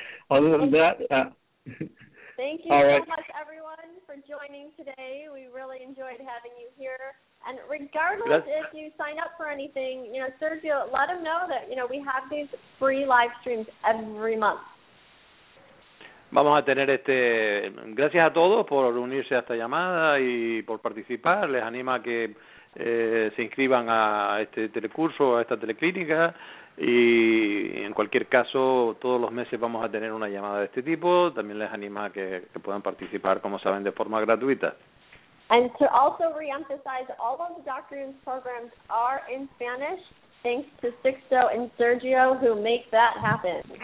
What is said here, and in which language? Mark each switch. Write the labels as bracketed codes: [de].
[en] Other than that, thank you so much, everyone, for joining today. We really enjoyed having you here. And regardless if you sign up for anything, you know, Sergio, let them know that, you know, we have these free live streams every month. [es] Vamos a tener gracias a todos por unirse a esta llamada y por participar. Les animo a que se inscriban a este telecurso, a esta teleclínica. Y en cualquier caso, todos los meses vamos a tener una llamada de este tipo. También les anima a que puedan participar, como saben, de forma gratuita. [en] And to also reemphasize, all of the doctor's programs are in Spanish, thanks to Sixto and Sergio, who make that happen.